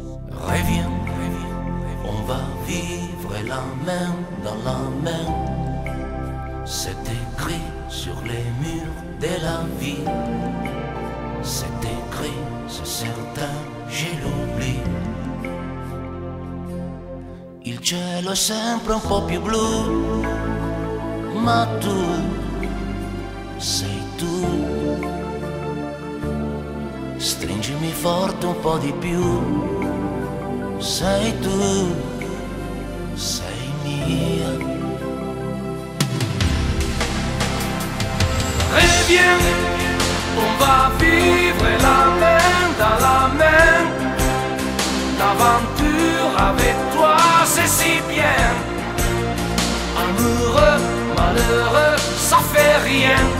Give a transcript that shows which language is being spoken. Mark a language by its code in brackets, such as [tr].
[fr] Reviens, reviens, on va vivre la main dans la main. C'est écrit sur les murs de la ville. C'est écrit, c'est certain, je l'oublie. [it] Il cielo è sempre un po' più blu, ma tu sei tu. Stringimi forte un po' di più, sei tu, sei mia. [fr] Reviens, on va vivre la main dans la main. L'aventure avec toi, c'est si bien. Amoureux, malheureux, ça fait rien.